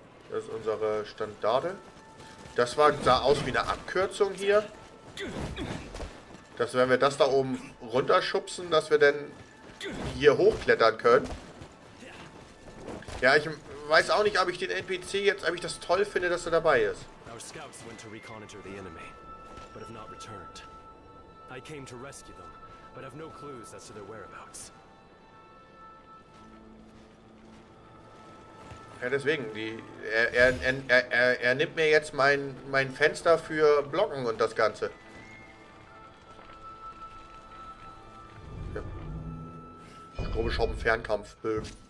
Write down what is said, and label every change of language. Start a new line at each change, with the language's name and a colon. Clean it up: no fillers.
German: Das ist unsere Standarte. Das sah aus wie eine Abkürzung hier. Dass wenn wir das da oben runterschubsen, dass wir dann hier hochklettern können. Ja, ich weiß auch nicht, ob ich den NPC jetzt, ob ich das toll finde, dass er dabei ist.
English: Our scouts went to reconnoiter the enemy, but have not returned. I came to rescue them, but have no clues as to their whereabouts.
German: Ja, deswegen, er nimmt mir jetzt mein Fenster für Blocken und das Ganze. Ja. Strobeschoppen Fernkampfbögen.